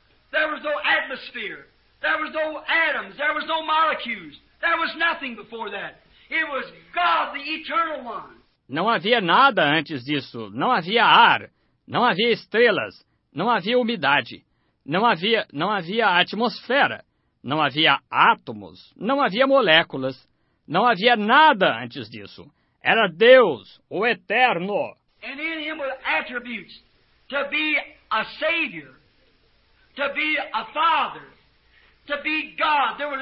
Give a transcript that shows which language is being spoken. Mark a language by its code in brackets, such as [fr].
[en] There was no atmosphere. There was no atoms, there was no molecules. There was nothing before that. It was God, the eternal one. [pt] Não havia nada antes disso. Não havia ar, não havia estrelas, não havia umidade. Não havia atmosfera, não havia átomos, não havia moléculas, não havia nada antes disso. Era Deus, o Eterno. [en] And in him were attributes to be a Savior, to be a Father, to be God.